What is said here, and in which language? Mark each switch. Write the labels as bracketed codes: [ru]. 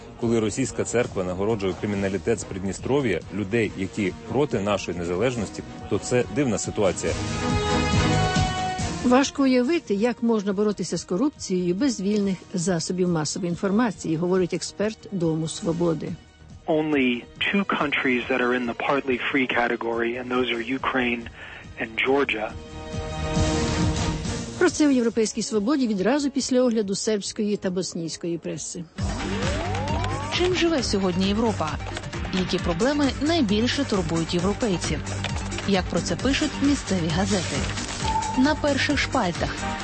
[uk] Коли Російська церква нагороджує криміналітет з Придністров'я, людей, які проти нашої незалежності, то це дивна ситуація. Важко уявити, як можна боротися з корупцією без вільних засобів масової інформації, говорить експерт Дому Свободи. [en] Only two countries that are in the partly free category, and those are Ukraine and Georgia. [uk] Про це в «Європейській свободі» відразу після огляду сербської та боснійської преси. Чим живе сьогодні Європа? Які проблеми найбільше турбують європейців? Як про це пишуть місцеві газети? На перших шпальтах.